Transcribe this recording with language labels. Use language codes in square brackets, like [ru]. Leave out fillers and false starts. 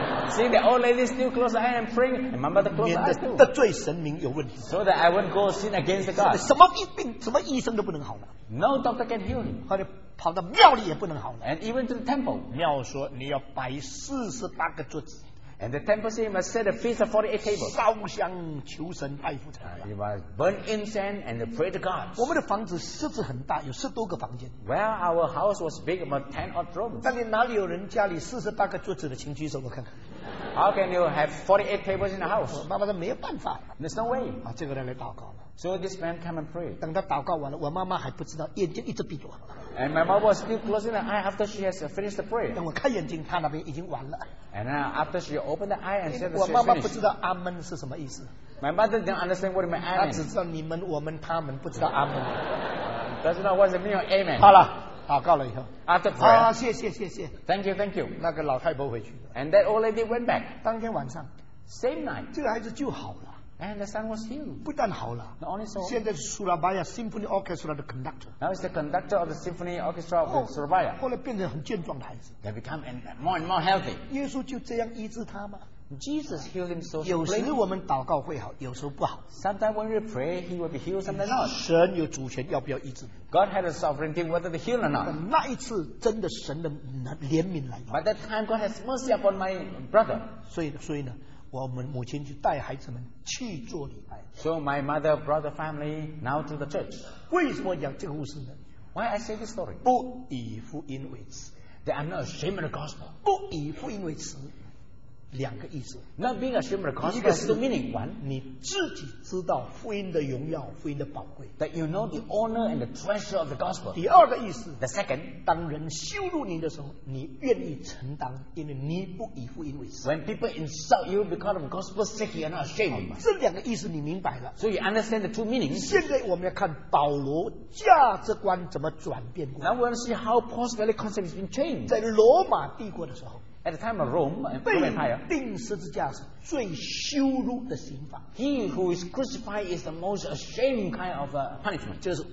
[en] See the old lady still close her eyes and praying. My mother close her eyes too. [zh] 得罪神明有问题。 [en] So that I won't go sin against God. [zh] 什么疫病，什么医生都不能好了。 [en] No doctor can heal him. [zh] 或者跑到庙里也不能好了。 [en] And even to the temple. [zh] 庙说你要摆四十八个桌子。 [en] And the temple say must set a feast of 48 tables. [zh] 烧香求神拜父。 [en] You must burn incense and pray to God. [zh] 我们的房子室子很大，有十多个房间。 [en] Well, our house was big, about 10 odd rooms. [zh] 但你哪里有人家里四十八个桌子的，请举手我看看。 [en] How can you have 48 tables in the house? [zh] 妈妈说没有办法。 [en] There's no way. [zh] 啊，这个人来祷告了。 [en] So this man came and prayed. [zh] 等他祷告完了，我妈妈还不知道，眼睛一直闭着。 [en] And my mom was still closing the eye after she has finished the prayer. [zh] 等我看眼睛，她那边已经完了。 [en] And after she opened the eye and said, [zh] 我妈妈不知道阿门是什么意思。 [en] My mother didn't understand what it meant. [zh] 她只知道你们、我们、他们，不知道阿门。 [en] That's not what it means. Amen. [zh] 好了，祷告了以后。 [en] After prayer. [zh] 好，谢谢谢谢。 [en] Thank you, thank you. [zh] 那个老太婆回去。 [en] And that old lady went back. [zh] 当天晚上。 [en] Same night. [zh] 这个孩子就好了。 [en] And the son was healed. [zh] 不但好了。 [en] Not only so. [zh] 现在是 Surabaya Symphony Orchestra 的 conductor. [en] Now he's the conductor of the Symphony Orchestra of Surabaya. [zh] 后来变成很健壮的孩子。 [en] They become and more and more healthy. [zh] 耶稣就这样医治他吗？ [en] Jesus healed him so. [zh] 有时我们祷告会好，有时候不好。 [en] Sometimes when we pray, he will be healed. Sometimes not. [zh] 神有主权，要不要医治 [en] ？God had a sovereignty whether to heal or not. [zh] 那一次真的神的怜悯来。 [en] By that time, God has mercy upon my brother. [zh] 所以呢，我们母亲就带孩子们去做礼拜。 [en] So my mother brought the family now to the church. [zh] 为什么讲这个故事呢 [en] ？Why I say this story? [zh] 不以福音为耻。 [en] That I'm not ashamed of the gospel. [zh] 不以福音为耻。两个意思 [en] not being ashamed of the gospel is the meaning one [zh] 你自己知道福音的荣耀福音的宝贵 [en] that you know the honor and the treasure of the gospel [zh] 第二个意思 [en] the second [zh] 当人羞辱你的时候你愿意承担因为你不以福音为耻 [en] when people insult you because of gospel's sake you are not ashamed [zh] 这两个意思你明白了 [en] so you understand the two meanings [zh] 现在我们要看保罗价值观怎么转变 [en] now we want to see how Paul's value concept has been changed [zh] 在罗马帝国的时候 [en] At the time of Rome, Empire, he who is crucified is the most ashamed kind of punishment.